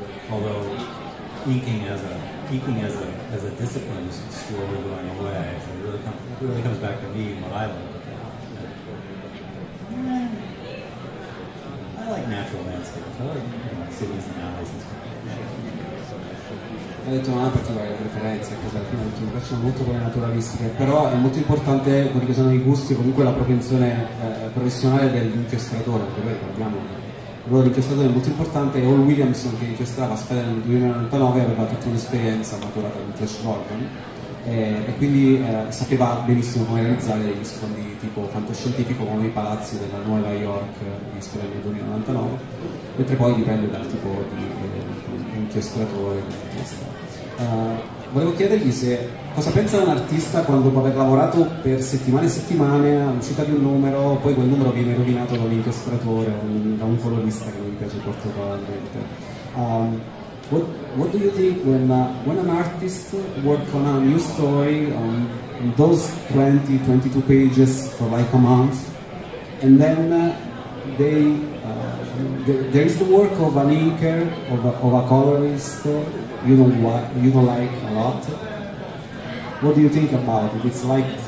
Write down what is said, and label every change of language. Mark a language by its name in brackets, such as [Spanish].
[English] Although inking as a discipline is slowly going away, so it really comes back to me and what I like. I like natural landscapes. I like, you know, cities and alleys and stuff. [Italian] Ha detto una particolare preferenza, cosa che mi piacciono molto quelle naturalistiche, però è molto importante quelli che sono i gusti, comunque la propensione professionale dell'inchiostratore, perché noi parliamo che il ruolo dell'inchiostratore è molto importante, e Hall Williamson, che inchiostrava Spider-Man nel 2099, aveva tutta un'esperienza maturata in Flash Gordon e quindi sapeva benissimo come realizzare gli sfondi tipo fantascientifico come i palazzi della Nuova York di Spider-Man 2099, mentre poi dipende dal tipo di inchiostratore. Volevo chiedergli se cosa pensa un artista quando, dopo aver lavorato per settimane e settimane all'uscita di un numero, poi quel numero viene rovinato da un inchiostratore, da un colorista che non piace particolarmente. [English] What do you think when an artist work on a new story on those 20-22 pages for like a month, and then there is the work of an inker, of a colorist you don't like a lot? What do you think about it? It's like